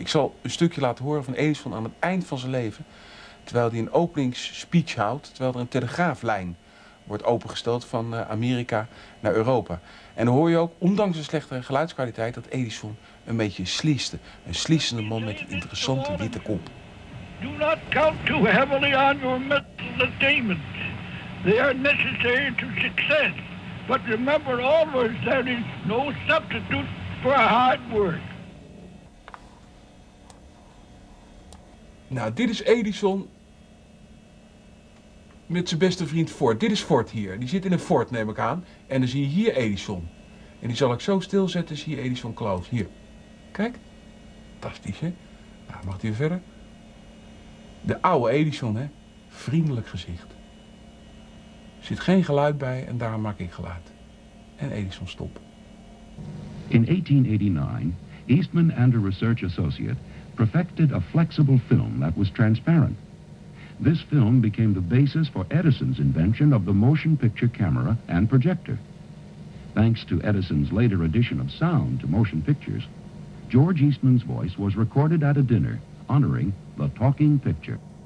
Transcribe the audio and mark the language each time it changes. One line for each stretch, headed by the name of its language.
Dutch: Ik zal een stukje laten horen van Edison aan het eind van zijn leven. Terwijl hij een openingsspeech houdt. Terwijl er een telegraaflijn wordt opengesteld van Amerika naar Europa. En dan hoor je ook, ondanks de slechtere geluidskwaliteit, dat Edison een beetje sliste. Een slissende man met een interessante witte kop.
English: Do not count too heavily on your metal attainment. They are necessary to success. But remember always, there is no substitute for hard work.
Dutch: Nou, dit is Edison met zijn beste vriend Ford. Dit is Ford hier. Die zit in een Ford, neem ik aan. En dan zie je hier Edison. En die zal ik zo stilzetten, zie je Edison Kloos. Hier. Kijk. Fantastisch, hè? Nou, mag hij verder? De oude Edison, hè? Vriendelijk gezicht. Er zit geen geluid bij en daarom maak ik geluid. En Edison stop.
English: In 1889, Eastman and a research associate perfected a flexible film that was transparent. This film became the basis for Edison's invention of the motion picture camera and projector. Thanks to Edison's later addition of sound to motion pictures, George Eastman's voice was recorded at a dinner honoring the talking picture.